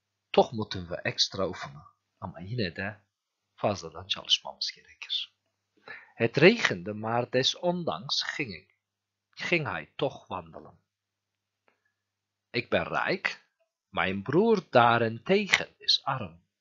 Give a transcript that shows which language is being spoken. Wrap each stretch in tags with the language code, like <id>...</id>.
<nl>Toch moeten we extra oefenen.</nl> <tr>Ama yine de fazladan çalışmamız gerekir.</tr> <nl>Het regende, maar desondanks ging hij toch wandelen. Ik ben rijk, mijn broer daarentegen is arm.</nl>